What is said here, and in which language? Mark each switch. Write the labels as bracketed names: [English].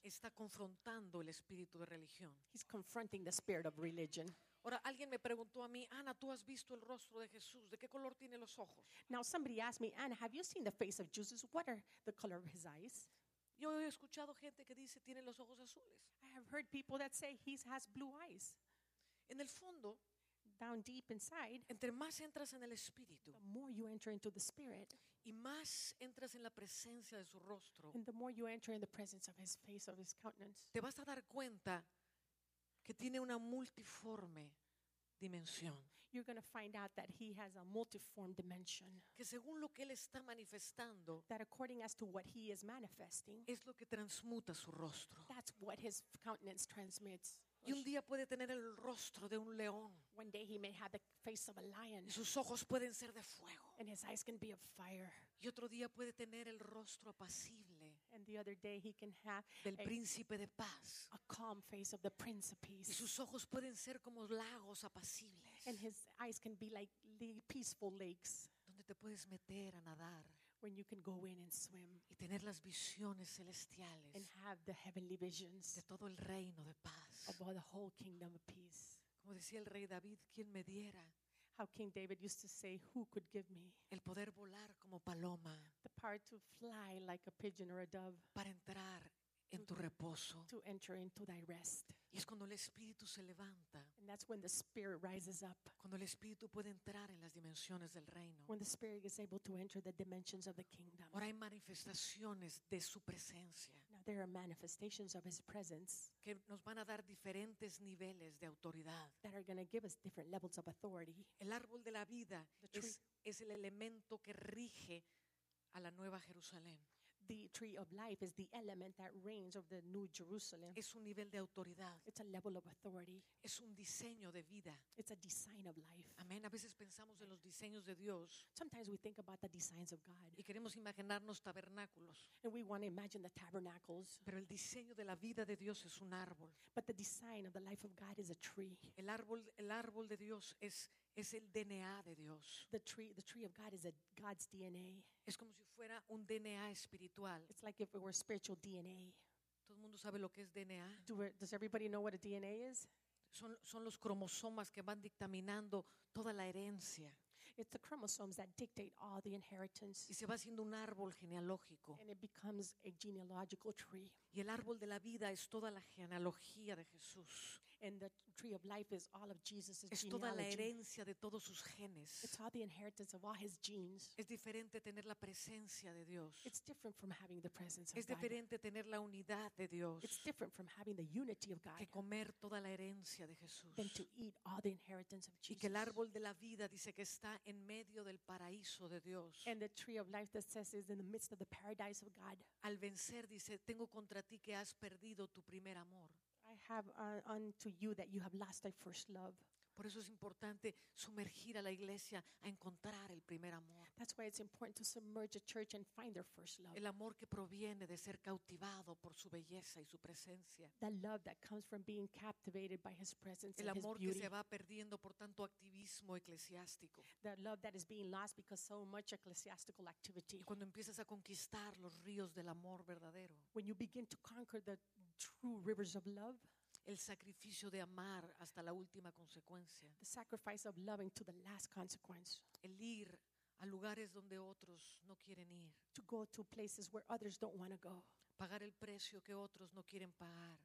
[Spanish] Está confrontando el espíritu de religión. [English] He's confronting the spirit of religion. [Spanish] Ahora alguien me preguntó a mí, Ana, ¿tú has visto el rostro de Jesús? ¿De qué color tiene los ojos? [English] Now somebody asked me, Ana, have you seen the face of Jesus? What are the color of his eyes? [Spanish] Yo he escuchado gente que dice tiene los ojos azules. [English] I have heard people that say he has blue eyes. [Spanish] En el fondo, [English] down deep inside, [Spanish] entre más entras en el espíritu, [English] the more you enter into the spirit, [Spanish] y más entras en la presencia de su rostro, [English] and the more you enter in the presence of his face, of his countenance, [Spanish] te vas a dar cuenta que tiene una multiforme dimensión. [English] You're going to find out that he has a multiform dimension. [Spanish] Que según lo que él está manifestando, [English] that according as to what he is manifesting, [Spanish] es lo que transmuta su rostro. [English] That's what his countenance transmits. [Spanish] Y un día puede tener el rostro de un león. [English] One day he may have the face of a lion. [Spanish] Y sus ojos pueden ser de fuego. [English] And his eyes can be of fire. [Spanish] Y otro día puede tener el rostro apacible. [English] And the other day he can have [Spanish] del príncipe de paz. [English] A calm face of the prince of peace. [Spanish] Y sus ojos pueden ser como lagos apacibles. [English] And his eyes can be like peaceful lakes. [Spanish] Donde te puedes meter a nadar. [English] When you can go in and swim. [Spanish] Y tener las visiones celestiales. [English] And have the heavenly visions. [Spanish] De todo el reino de paz. [English] Of all the whole kingdom of peace. [Spanish] Como decía el rey David, quien me diera. [English] How King David used to say, who could give me. [Spanish] El poder volar como paloma. [English] The power to fly like a pigeon or a dove. [Spanish] Para entrar en tu reposo. [English] To enter into thy rest. [Spanish] Y es cuando el espíritu se levanta. [English] And that's when the spirit rises up. [Spanish] Cuando el espíritu puede entrar en las dimensiones del reino. [English] When the spirit is able to enter the dimensions of the kingdom. [Spanish] Ahora hay manifestaciones de su presencia. [English] Now there are manifestations of his presence. [Spanish] Que nos van a dar diferentes niveles de autoridad. [English] That are going to give us different levels of authority. [Spanish] El árbol de la vida es el elemento que rige a la nueva Jerusalén. [English] The tree of life is the element that reigns over the new Jerusalem. [Spanish] Es un nivel de autoridad. [English] It's a level of authority. [Spanish] Es un diseño de vida. [English] It's a design of life. [Spanish] Amén. A veces pensamos en los diseños de Dios. [English] Sometimes we think about the designs of God. [Spanish] Y queremos imaginarnos tabernáculos. [English] And we want to imagine the tabernacles. [Spanish] Pero el diseño de la vida de Dios es un árbol. [English] But the design of the life of God is a tree. [Spanish] El árbol de Dios es el DNA de Dios. [English] The tree of God is God's DNA. [Spanish] Es como si fuera un DNA espiritual. [English] It's like if it were spiritual DNA. [Spanish] ¿Todo el mundo sabe lo que es DNA? [English] Does everybody know what a DNA is? [Spanish] Son los cromosomas que van dictaminando toda la herencia. [English] It's the chromosomes that dictate all the inheritance. [Spanish] Y se va haciendo un árbol genealógico. [English] And it becomes a genealogical tree. [Spanish] Y el árbol de la vida es toda la genealogía de Jesús. [English] And the tree of life is all of Jesus' genealogy. [Spanish] Es toda la herencia de todos sus genes. [English] It's all the inheritance of all his genes. [Spanish] Es diferente tener la presencia de Dios. [English] It's different from having the presence of [Spanish] God. Es diferente tener la unidad de Dios. [English] It's different from having the unity of God. [Spanish] Que comer toda la herencia de Jesús. [English] Than to eat all the inheritance of Jesus. [Spanish] Y que el árbol de la vida dice que está en medio del paraíso de Dios. [English] And the tree of life that says is in the midst of the paradise of God. [Spanish] Al vencer dice, tengo contra ti que has perdido tu primer amor. [English] I have unto you that you have lost thy first love. [Spanish] Por eso es importante sumergir a la iglesia a encontrar el primer amor. [English] That's why it's important to submerge a church and find their first love. [Spanish] El amor que proviene de ser cautivado por su belleza y su presencia. [English] The love that comes from being captivated by his presence and his beauty. [Spanish] El amor que se va perdiendo por tanto activismo eclesiástico. [English] The love that is being lost because so much ecclesiastical activity. [Spanish] Y cuando empiezas a conquistar los ríos del amor verdadero. [English] When you begin to conquer the true rivers of love. [Spanish] El sacrificio de amar hasta la última consecuencia. [English] The sacrifice of loving to the last consequence. [Spanish] El ir a lugares donde otros no quieren ir. [English] To go to places where others don't want to go. [Spanish] Pagar el precio que otros no quieren pagar.